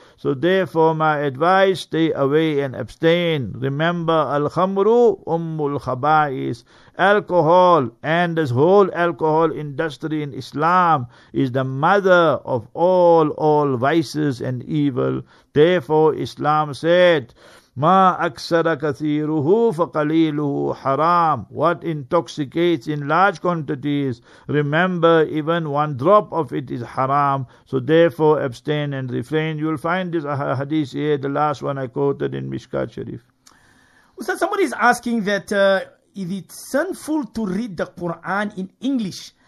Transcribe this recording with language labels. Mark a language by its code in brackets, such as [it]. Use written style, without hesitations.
[en] So therefore my advice, stay away and abstain. Remember, Al-Khamru Ummul Khaba'is. Alcohol and this whole alcohol industry in Islam is the mother of all vices and evil. Therefore Islam said, [ar] مَا أَكْسَرَ كَثِيرُهُ فَقَلِيلُهُ حَرَامٌ. [en] What intoxicates in large quantities, remember, even one drop of it is haram. So therefore abstain and refrain. You'll find this hadith here, the last one I quoted in Mishkat Sharif. Ustaz, somebody is asking that if it's sinful to read the Quran in English.